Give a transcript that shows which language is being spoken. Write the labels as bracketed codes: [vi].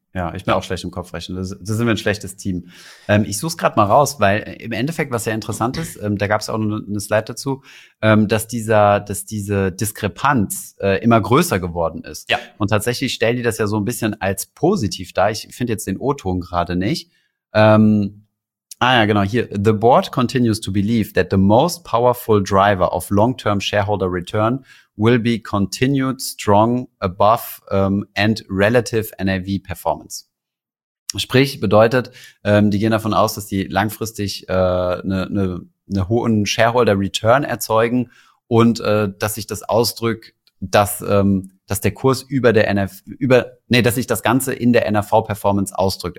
[de] Ja, ich bin auch schlecht im Kopf rechnen. Da sind wir ein schlechtes Team. Ich suche es gerade mal raus, weil im Endeffekt, was sehr interessant ist, da gab es auch eine Slide dazu, dass diese Diskrepanz immer größer geworden ist. Ja. Und tatsächlich stellen die das ja so ein bisschen als positiv dar. Ich finde jetzt den O-Ton gerade nicht. Hier. [en] The board continues to believe that the most powerful driver of long-term shareholder return will be continued strong above and relative NAV performance. [de] Sprich, bedeutet, die gehen davon aus, dass die langfristig eine hohen shareholder return erzeugen und dass sich das ausdrückt, dass der Kurs dass sich das Ganze in der NAV-Performance ausdrückt.